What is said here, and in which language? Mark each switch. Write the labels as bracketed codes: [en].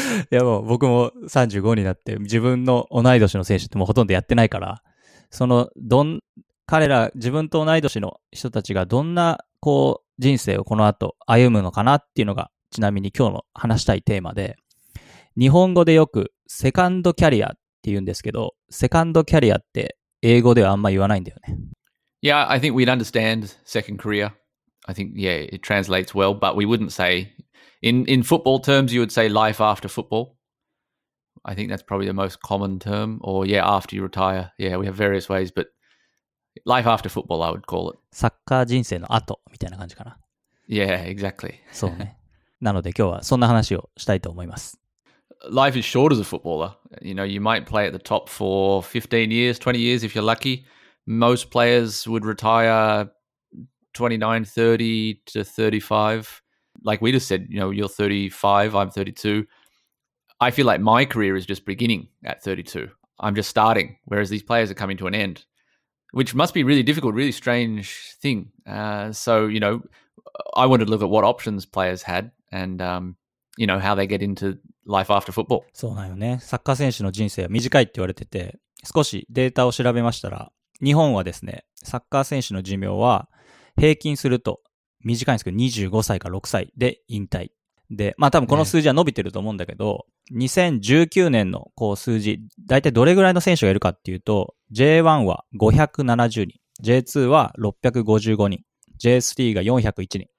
[ja] いやもう僕も35になって、自分の同い年の選手ってもうほとんどやってないから、その彼ら、自分と同い年の人たちがどんなこう人生をこの後歩むのかなっていうのが、ちなみに今日の話したいテーマで、日本語でよくセカンドキャリアって言うんですけど、セカンドキャリアって英語ではあんま言わないんだよね。 [en] Yeah, I think we'd understand second career. I think, yeah, it translates well, but we wouldn't say, in football terms, you would say life after football. I think that's probably the most common term, or yeah, after you retire. Yeah, we have various ways, but life after football, I would call it. [ja] サッカー人生の後みたいな感じかな。 [en] Yeah, exactly. [ja] そうね。なので今日はそんな話をしたいと思います。 [en] Life is short as a footballer. You know, you might play at the top for 15 years, 20 years if you're lucky. Most players would retire 29, 30 to 35. Like we just said, you know, you're 35, I'm 32. I feel like my career is just beginning at 32. I'm just starting, whereas these players are coming to an end, which must be really difficult, really strange thing. So, you know, I wanted to look at what options players had and, you know, how they get into... Life after football. [ja] そうなのね。サッカー選手の人生は短いって言われてて、少しデータを調べましたら、日本はですね、サッカー選手の寿命は平均すると短いんですけど、25歳か6歳で引退。で、まあ多分この数字は伸びてると思うんだけど、ね、2019年のこう数字、だいたいどれぐらいの選手がいるかっていうと、J1 は570人、J2 は655人、J3 が401人。